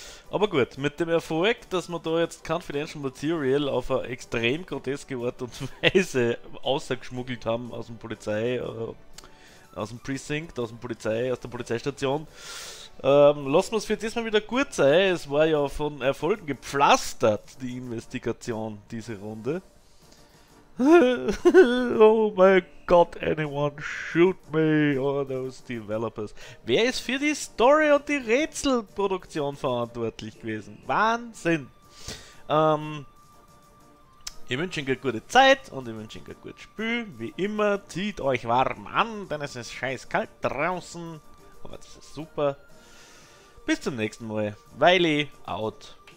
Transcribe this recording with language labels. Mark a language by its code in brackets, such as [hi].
[de] Aber gut, mit dem Erfolg, dass man da jetzt Confidential Material auf eine extrem groteske Art und Weise außergeschmuggelt haben aus dem Polizei, aus dem Precinct, aus dem Polizei, aus der Polizeistation, lassen wir es für diesmal wieder gut sein. Es war ja von Erfolgen gepflastert, die Investigation, diese Runde. [en] Oh my god, anyone shoot me or those developers. [de] Wer ist für die Story und die Rätselproduktion verantwortlich gewesen? Wahnsinn! Ich wünsche euch eine gute Zeit und ich wünsche euch ein gutes Spiel. Wie immer, zieht euch warm an, denn es ist scheiß kalt draußen. Aber das ist super. Bis zum nächsten Mal. Weily out.